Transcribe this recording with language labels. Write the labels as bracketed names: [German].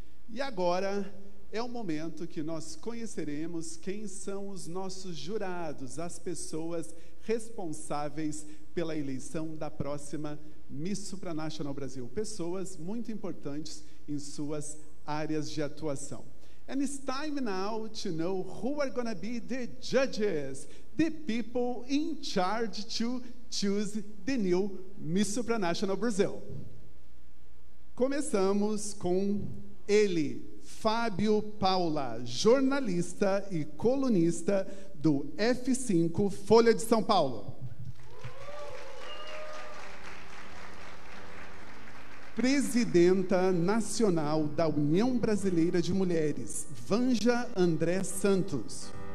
[Portuguese] E agora é o momento que nós conheceremos quem são os nossos jurados, as pessoas responsáveis pela eleição da próxima Miss Supranational Brasil, pessoas muito importantes em suas áreas de atuação. [English] And it's time now to know who are going to be the judges, the people in charge to choose the new Miss Supranational Brazil. [Portuguese] Começamos com ele, Fábio Paula, jornalista e colunista do F5 Folha de São Paulo. presidenta nacional da União Brasileira de Mulheres, Vanja André Santos.